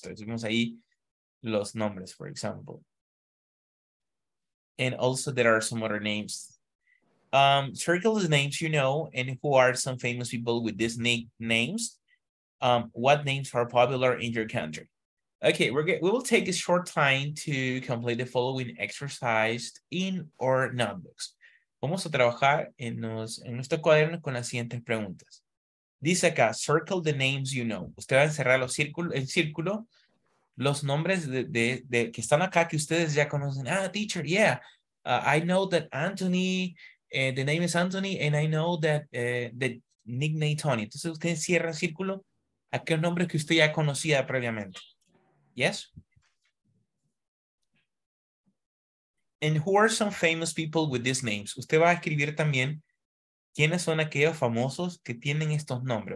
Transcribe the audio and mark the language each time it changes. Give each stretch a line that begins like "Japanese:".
Spanish: Tenemos ahí los nombres,
English: for example. And also there are some other names. Circle the names you know and who are some famous people with these nicknames. What names are popular in your country? Okay, we will take a short time to complete the following exercise in our notebooks.
Spanish: Vamos a trabajar en nuestro cuaderno con las siguientes preguntas. Dice acá,
English: circle the names you know.
Spanish: Usted va a encerrar el círculo los nombres de que están acá que ustedes ya conocen.
English: Ah, teacher, yeah. I know that Anthony. The name is Anthony, and I know that the nickname Tony.
Spanish: Entonces, usted encierra el círculo aquel nombre que usted ya conocía previamente.
English: Yes? And who are some famous people with these names?
Spanish: Usted va a escribir también quiénes son aquellos famosos que tienen estos nombres.